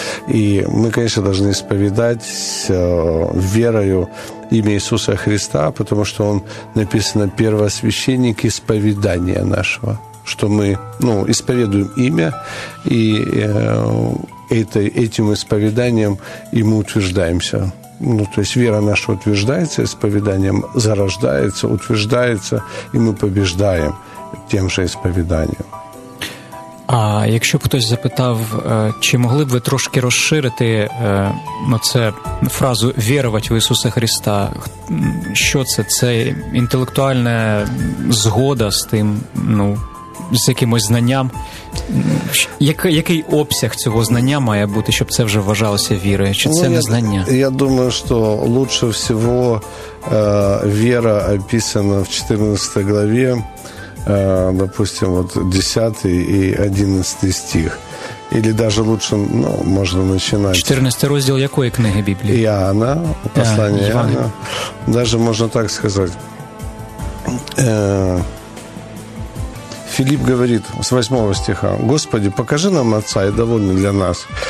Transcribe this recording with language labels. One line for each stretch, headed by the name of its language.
Russian: И мы, конечно, должны исповедать верою имя Иисуса Христа, потому что он написано «Первосвященник исповедания нашего», что мы исповедуем имя, и этим исповеданием и мы утверждаемся. Ну, то есть вера наша утверждается исповеданием, зарождается, утверждается, и мы побеждаем тем же исповеданием.
Ukrainian: А якщо б хтось запитав, чи могли б ви трошки розширити це фразу «вірувати в Ісуса Христа», що це? Це інтелектуальна згода з тим, з якимось знанням? Який обсяг цього знання має бути, щоб це вже вважалося вірою? Чи це не знання?
Russian: Я думаю, що лучше всего віра описана в 14 главі. Допустим, вот 10 и 11 стих. Или даже лучше, можно начинать. 14 раздел какой книги Библии? Иоанна, послание Иоанна. Даже можно так сказать. Филипп говорит с 8 стиха. «Господи, покажи нам Отца, и довольны для нас».